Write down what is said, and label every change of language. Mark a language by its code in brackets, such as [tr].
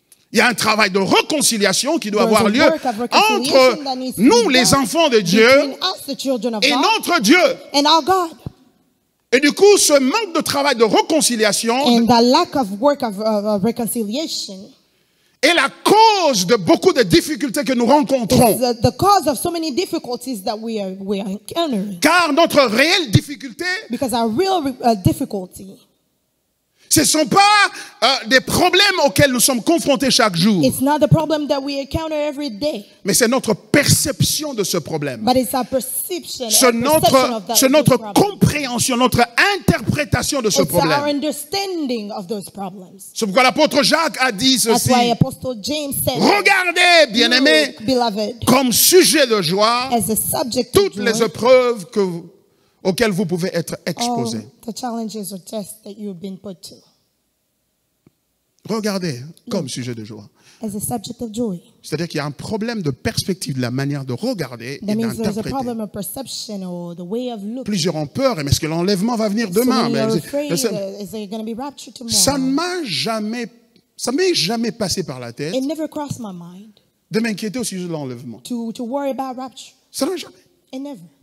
[fr] Il y a un travail de réconciliation qui doit avoir lieu entre nous, les enfants de Dieu, et notre Dieu. [en] And our God. [fr] Et du coup, ce manque de travail de réconciliation est la cause de beaucoup de difficultés que nous rencontrons. [en] The cause of so many difficulties that we are encountering. [fr] Car notre réelle difficulté [en] because our real difficulty [fr] ce ne sont pas des problèmes auxquels nous sommes confrontés chaque jour. [en] It's not the problem that we encounter every day. [fr] Mais c'est notre perception de ce problème. [en] But it's our perception, [fr] c'est notre compréhension, notre interprétation de ce [en] it's [fr] problème. [en] Our understanding of those problems. [fr] C'est pourquoi l'apôtre Jacques a dit ceci. [en] That's why Apostle James said, [fr] regardez, bien-aimés, comme sujet de joie [en] as a subject [fr] toutes [en] of joy, [fr] les épreuves que vous auxquels vous pouvez être exposé. [en] All the challenges or tests that you've been put to. [fr] Regardez comme sujet de joie. [en] As a subject of joy. [fr] C'est-à-dire qu'il y a un problème de perspective, de la manière de regarder [en] that [fr] et d'interpréter. [en] There's a problem of perception or the way of looking. [fr] Plusieurs ont peur, mais est-ce que l'enlèvement va venir demain? [en] So many are afraid, is there going to be rapture tomorrow? [fr] Ça ne m'est jamais passé par la tête [en] it never crossed my mind [fr] de m'inquiéter au sujet de l'enlèvement. [en] To worry about rapture. [fr] Ça ne m'est jamais. [en] It never.